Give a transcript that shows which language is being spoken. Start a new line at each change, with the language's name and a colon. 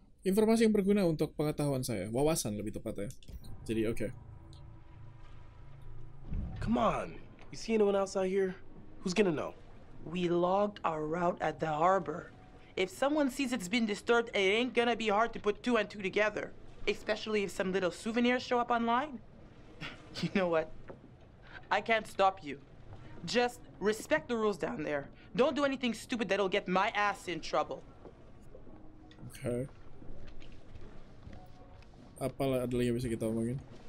Indonesian: Informasi yang berguna untuk pengetahuan saya, wawasan lebih tepatnya. Jadi oke. Okay.
English: Come on, you see anyone else out here? Who's gonna know? We logged our route at the harbor. If someone sees it's been disturbed, it ain't gonna be hard to put two and two together. Especially if some little souvenirs show up online. You know what? I can't stop you. Just respect the rules down there. Don't do anything stupid that'll get my ass in trouble. Okay.
Indonesian: Apalah ada yang bisa kita omongin?